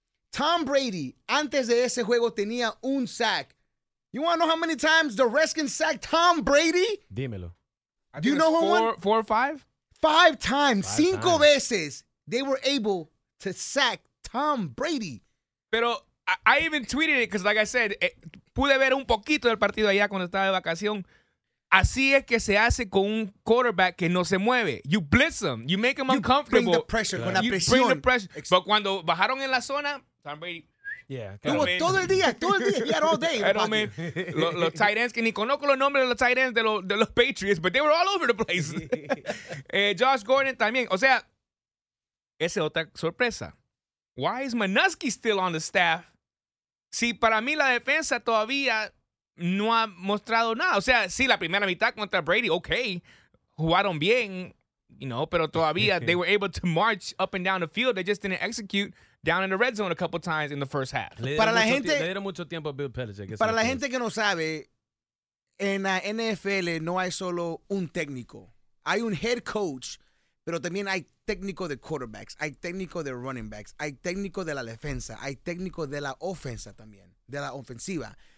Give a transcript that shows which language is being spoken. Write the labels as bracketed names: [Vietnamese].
[Spanish] Tom Brady, antes de ese juego, tenía un sack. [English] You want to know how many times the Redskins sacked Tom Brady? [Spanish] Dímelo. [English] Do you know who won? Four or five? Five times. Five cinco times. Veces. They were able to sack Tom Brady. [Spanish] Pero... [English] I even tweeted it because, like I said, [Spanish] pude ver un poquito del partido allá cuando estaba de vacación. Así es que se hace con un quarterback que no se mueve. [English] You blitz him. You make him uncomfortable. You bring the pressure. Claro. You bring the pressure. Exactly. But [Spanish] cuando bajaron en la zona, [English] Tom Brady. Yeah. [Spanish] Claro. Todo el día. [English] All day. [Spanish] Los tight ends, que ni conozco los nombres de los tight ends de los Patriots, [English] but they were all over the place. [Spanish] Josh Gordon también. O sea, esa es otra sorpresa. [English] Why is Manusky still on the staff? [Spanish] Si para mí la defensa todavía no ha mostrado nada. O sea, sí, la primera mitad contra Brady, okay. Jugaron bien, you know, pero todavía [English] they were able to march up and down the field. They just didn't execute down in the red zone a couple times in the first half. [Spanish] Le dieron mucho tiempo a Bill Belichick. Para la gente que no sabe, en la NFL no hay solo un técnico. Hay un head coach, pero también hay técnico de quarterbacks, hay técnico de running backs, hay técnico de la defensa, hay técnico de la ofensa también, de la ofensiva.